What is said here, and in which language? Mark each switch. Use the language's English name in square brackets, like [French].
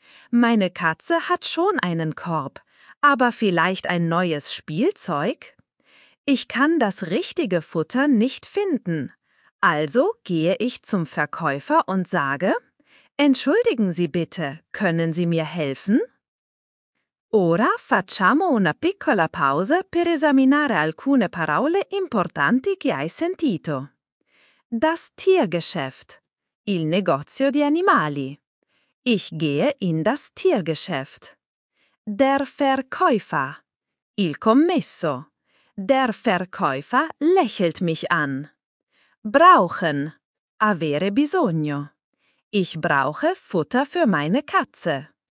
[German] Meine Katze hat schon einen Korb, aber vielleicht ein neues Spielzeug? Ich kann das richtige Futter nicht finden. Also gehe ich zum Verkäufer und sage: Entschuldigen Sie bitte, können Sie mir helfen? [Italian] Ora facciamo una piccola pausa per esaminare alcune parole importanti che hai sentito. [German] Das Tiergeschäft. [Italian] Il negozio di animali. [German] Ich gehe in das Tiergeschäft. Der Verkäufer. [Italian] Il commesso. [German] Der Verkäufer lächelt mich an. Brauchen. [Italian] Avere bisogno. [German] Ich brauche Futter für meine Katze.